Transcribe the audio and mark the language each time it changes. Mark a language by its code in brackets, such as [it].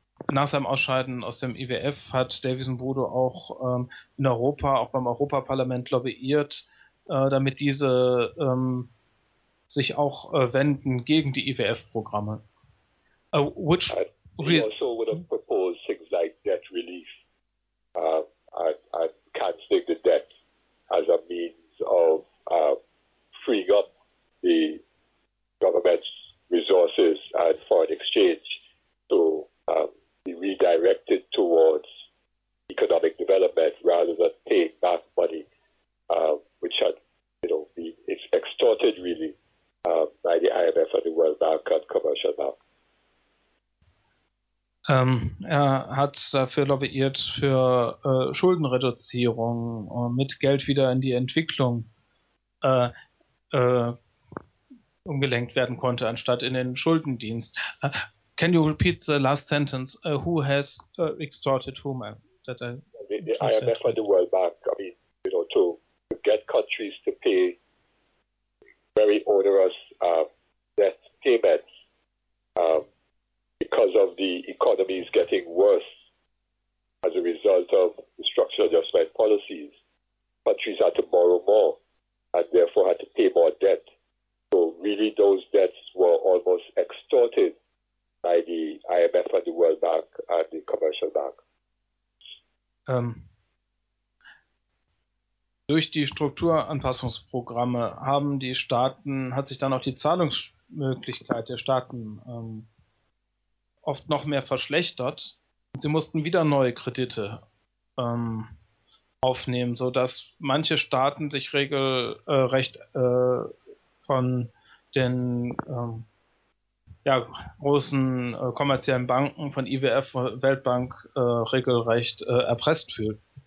[de] Nach seinem Ausscheiden aus dem IWF hat Davison Bodo auch in Europa, auch beim Europaparlament lobbyiert, damit diese sich auch wenden gegen die IWF-Programme. [en] He also would have proposed things like debt relief and canceling the debt as a means of freeing up the government's resources and foreign exchange to be redirected towards economic development rather than paying back money, which had, been extorted really by the IMF and the World Bank and commercial banks. [de] Er hat dafür lobbyiert, für Schuldenreduzierung mit Geld wieder in die Entwicklung umgelenkt werden konnte, anstatt in den Schuldendienst. [en] Can you repeat the last sentence? Who has extorted whom? The IMF and the World Bank, to get countries to pay very onerous debt payments because of the economy is getting worse as a result of the structural adjustment policies. Countries had to borrow more and therefore had to pay more debt. So really those debts were almost extorted by the IMF and the World Bank and the Commercial Bank. [de] Durch die Strukturanpassungsprogramme hat sich dann auch die Zahlungsmöglichkeit der Staaten oft noch mehr verschlechtert. Sie mussten wieder neue Kredite aufnehmen, sodass manche Staaten sich regelrecht von den großen kommerziellen Banken, von IWF, Weltbank regelrecht erpresst fühlen.